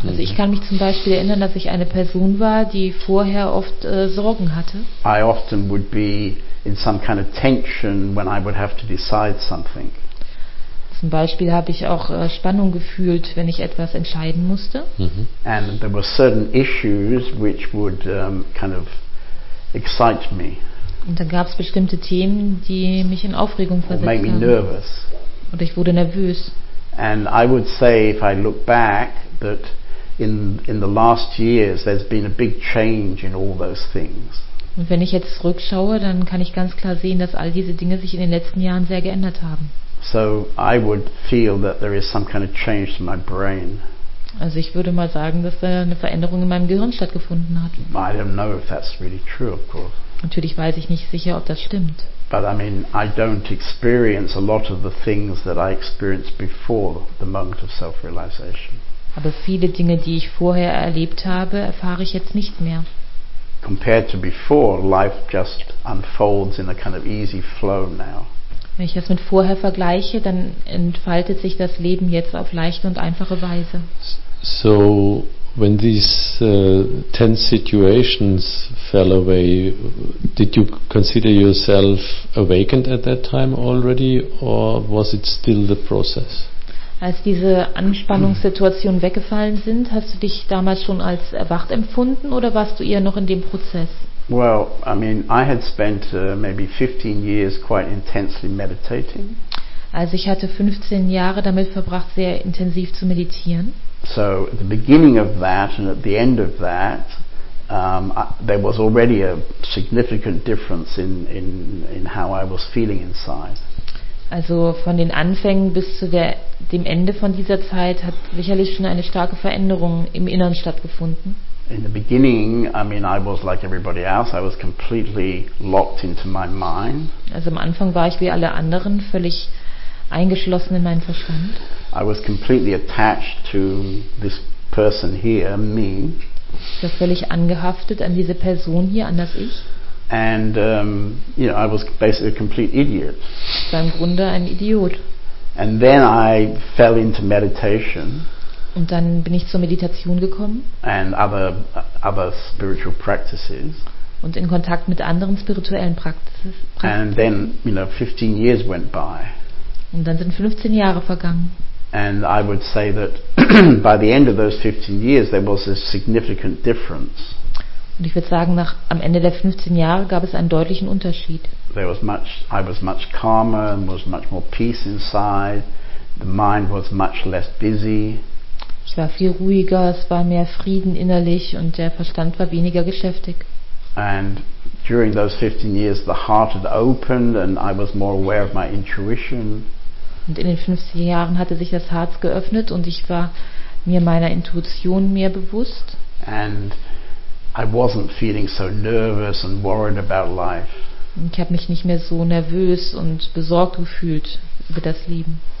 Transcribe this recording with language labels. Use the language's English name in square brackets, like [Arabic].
[German] Also ich kann mich zum Beispiel erinnern, dass ich eine Person war, die vorher oft Sorgen hatte. [English] I often would be in some kind of tension when I would have to decide something. [German] Zum Beispiel habe ich auch Spannung gefühlt, wenn ich etwas entscheiden musste. Mm-hmm. [English] And there were certain issues which would kind of excite me. [German] Und dann gab es bestimmte Themen, die mich in Aufregung versetzt haben. [English] Or made me nervous. [German] Oder ich wurde nervös. [English] And I would say, if I look back, that in the last years there's been a big change in all those things. [German] Und wenn ich jetzt zurückschaue, dann kann ich ganz klar sehen, dass all diese Dinge sich in den letzten Jahren sehr geändert haben. [English] So I would feel that there is some kind of change to my brain. [German] Also ich würde mal sagen, dass da eine Veränderung in meinem Gehirn stattgefunden hat. [English] I don't know if that's really true, of course. [German] Natürlich weiß ich nicht sicher, ob das stimmt. [English] But I mean, I don't experience a lot of the things that I experienced before the moment of self-realization. [German] Aber viele Dinge, die ich vorher erlebt habe, erfahre ich jetzt nicht mehr. [English] Compared to before, life just unfolds in a kind of easy flow now. [German] Wenn ich das mit vorher vergleiche, dann entfaltet sich das Leben jetzt auf leichte und einfache Weise. [English] So when these tense situations fell away, did you consider yourself awakened at that time already, or was it still the process? [German] Als diese Anspannungssituationen weggefallen sind, hast du dich damals schon als erwacht empfunden oder warst du eher noch in dem Prozess? [English] Well, I mean, I had spent maybe 15 years quite intensely meditating. [German] Also ich hatte 15 Jahre damit verbracht, sehr intensiv zu meditieren. [English] So at the beginning of that and at the end of that, there was already a significant difference in how I was feeling inside. [German] Also von den Anfängen bis zu dem Ende von dieser Zeit hat sicherlich schon eine starke Veränderung im Inneren stattgefunden. [English] In the beginning, I mean, I was like everybody else. I was completely locked into my mind. [German] Also am Anfang war ich wie alle anderen völlig eingeschlossen in meinen Verstand. [English] I was completely attached to this person here, me. [German] Ich war völlig angehaftet an diese Person hier, an das Ich. [English] And you know, I was basically a complete idiot. [German] Ich war im Grunde ein Idiot. [English] And then I fell into meditation. [German] Und dann bin ich zur Meditation gekommen. [English] And other spiritual practices. [German] und in Kontakt mit anderen spirituellen Praxis. [English] And then, you know, 15 years went by. [German] Und dann sind 15 Jahre vergangen. [English] And I would say that by the end of those 15 years there was a significant difference. [German] Und ich würde sagen, nach am Ende der 15 Jahre gab es einen deutlichen Unterschied. [English] There was much, I was much calmer and was much more peace inside. The mind was much less busy. [German] Ich war viel ruhiger, es war mehr Frieden innerlich und der Verstand war weniger geschäftig. [English] And during those 15 years the heart had opened and I was more aware of my intuition. [German] Und in den 15 Jahren hatte sich das Herz geöffnet und ich war mir meiner Intuition mehr bewusst. [English] And I wasn't feeling so nervous and worried about life. [German] Ich habe mich nicht mehr so nervös und besorgt gefühlt über das Leben.